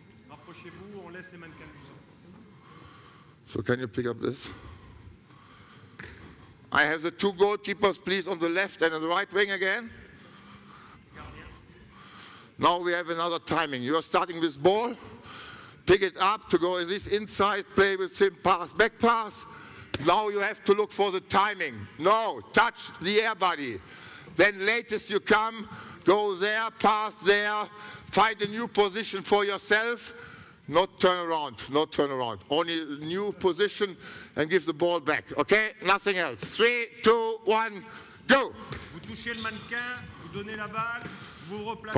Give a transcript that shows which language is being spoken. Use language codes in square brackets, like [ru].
[fr] Rapprochez-vous, on laisse les mannequins du centre. [en] So can you pick up this? I have the two goalkeepers, please, on the left and on the right wing again. Now we have another timing. You are starting this ball. Pick it up to go this inside, play with him, pass, back pass. Now you have to look for the timing. No, touch the air body. Then latest you come, go there, pass there, find a new position for yourself. Not turn around, not turn around. Only a new position and give the ball back. Okay, nothing else. 3, 2, 1, go. [fr] Vous touchez le mannequin, vous donnez la balle, vous replacez.